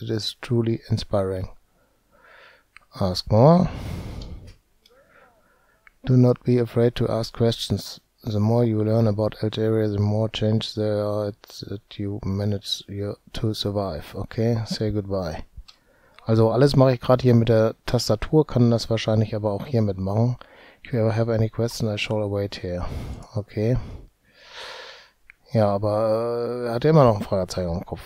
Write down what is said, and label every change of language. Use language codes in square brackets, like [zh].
[en] It is truly inspiring. Ask more. Do not be afraid to ask questions. The more you learn about Alterior, the more change there are that you manage to survive. Okay, say goodbye. [de] Also alles mache ich gerade hier mit der Tastatur, kann das wahrscheinlich aber auch hier mitmachen. [en] If you ever have any questions, I shall await here. Okay. [de] Ja, aber er hat immer noch ein Fragezeichen im Kopf.